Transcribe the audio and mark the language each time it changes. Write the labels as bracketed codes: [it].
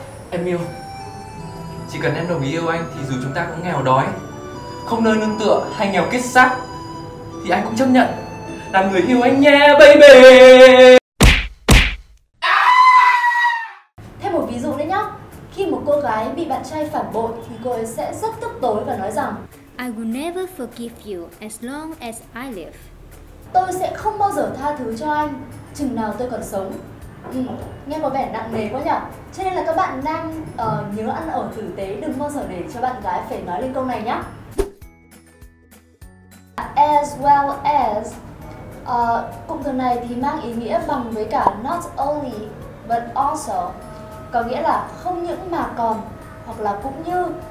[vi] Em yêu, chỉ cần em đồng ý yêu anh thì dù chúng ta có nghèo đói, không nơi nương tựa hay nghèo kiết xác thì anh cũng chấp nhận làm người yêu anh nha baby. Thêm một ví dụ đấy nhá. Khi một cô gái bị bạn trai phản bội thì cô ấy sẽ rất tức tối và nói rằng [en] I will never forgive you as long as I live. [vi] Tôi sẽ không bao giờ tha thứ cho anh chừng nào tôi còn sống. Nghe có vẻ nặng nề quá nhở. Cho nên là các bạn nam nhớ ăn ở tử tế, đừng bao giờ để cho bạn gái phải nói lên câu này nhá. As well as, cụm từ này thì mang ý nghĩa bằng với cả not only but also, có nghĩa là không những mà còn hoặc là cũng như.